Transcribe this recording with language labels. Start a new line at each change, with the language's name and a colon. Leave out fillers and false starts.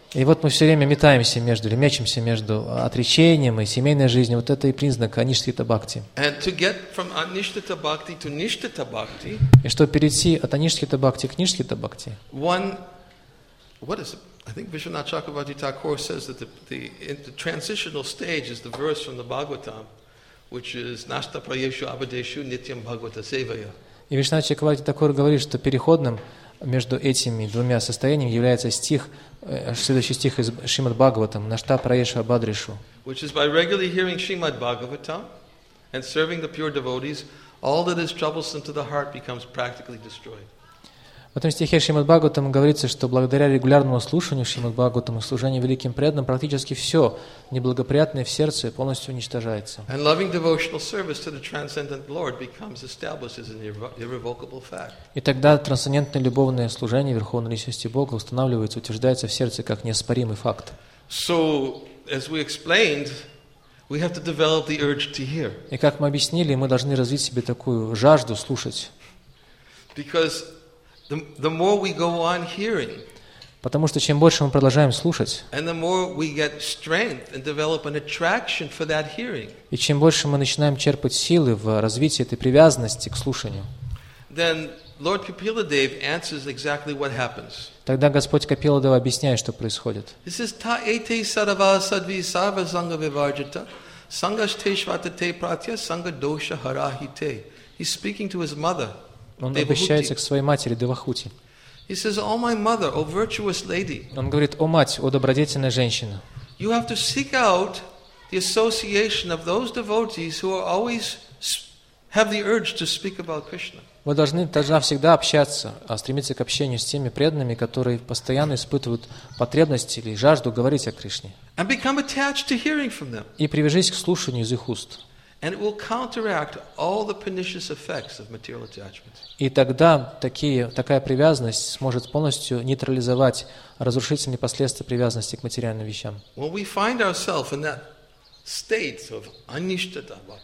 Russian: И вот мы все время метаемся между, или мечемся между отречением и семейной жизнью. Вот это и признак аништита бхакти.
English: And to get from anishtita bhakti to nishtita bhakti.
Russian: И чтобы перейти от аништита бхакти к нишхита бхакти.
English: One, what is it? I think Vishwanath Chakravarti Thakur says that the transitional stage is the verse from the Bhagavatam, which is nasta prayeshu abadeshu nityam bhagavata sevaya.
Russian: И Вишнава Чакравати Такур говорит, что переходным между этими двумя состояниями является стих, следующий стих из Шримад Бхагаватам, Нашта Праеша Бадришу.
English: Which is by regularly hearing Shrimad Bhagavatam and serving the pure devotees, all that is troublesome to the heart becomes practically destroyed.
Russian: В этом стихе Шримад Бхагаватам говорится, что благодаря регулярному слушанию Шримад Бхагаватам и служению великим преданным, практически все неблагоприятное в сердце полностью уничтожается.
English: And loving devotional service to the transcendent Lord becomes established as an irrevocable fact.
Russian: И тогда трансцендентное любовное служение Верховной Личности Бога устанавливается, утверждается в сердце как неоспоримый факт.
English: So, as we explained, we have to develop the urge to hear.
Russian: И как мы объяснили, мы должны развить себе такую жажду слушать.
English: Because the more we go on hearing,
Russian: Потому что чем больше мы продолжаем слушать,
English: and the more we get strength and develop an attraction for that hearing,
Russian: и чем больше мы начинаем черпать силы в развитии этой привязанности к слушанию,
English: then Lord Kapiladev answers exactly what happens.
Russian: Тогда Господь Капиладева объясняет, что происходит.
English: He says,
Sanskrit: "Та эйте сарва садви сарва санга виварджита, сангаште шватате пратья санга доша харахите."
English: He's speaking to his mother.
Russian: Он обращается к своей матери Девахути.
English: He says, "O my mother, O virtuous lady."
Russian: Он говорит: "О мать, о добродетельная женщина."
English: You have to seek out the association of those devotees who are always have the urge to speak about Krishna.
Russian: Вы должны тогда всегда общаться, а стремиться к общению с теми преданными, которые постоянно испытывают потребность или жажду говорить о Кришне.
English: And become attached to hearing from them.
Russian: И привяжись к слушанию из их уст.
English: And it will counteract all the pernicious effects of material attachment.
Russian: И тогда такая привязанность сможет полностью нейтрализовать разрушительные последствия привязанности к материальным вещам.
English: When we find ourselves in that state of anishtata,